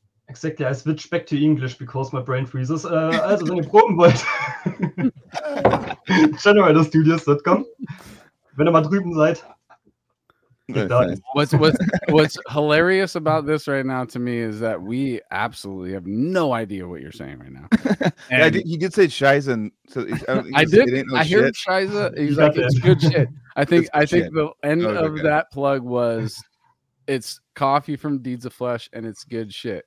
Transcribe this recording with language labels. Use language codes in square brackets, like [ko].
[en] Exactly, I switched back to English because my brain freezes. [de] Also, wenn ihr proben wollt, generatorstudios.com, wenn ihr mal drüben seid. [en] What's hilarious about this right now to me is that we absolutely have no idea what you're saying right now. And yeah, you did say Scheisen. So I heard Scheisse. He's like, it's good shit. I think the end of that plug was, it's coffee from Deeds of Flesh and it's good shit.